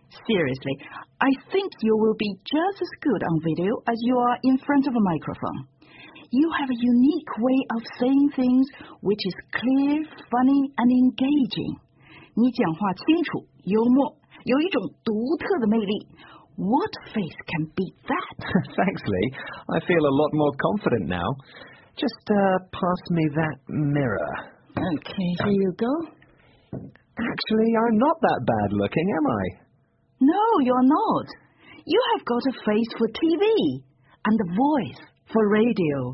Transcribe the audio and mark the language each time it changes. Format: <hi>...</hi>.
<en>Seriously, I think you will be just as good on video as you are in front of a microphone. You have a unique way of saying things which is clear, funny, and engaging.</en> <zh>你讲话清楚，幽默，有一种独特的魅力。</zh> <en>What face can beat that? Thanks, Lee. I feel a lot more confident now. Just pass me that mirror. Okay, here you go. Actually, I'm not that bad looking, am I? No, you're not. You have got a face for TV and a voice for radio.</en>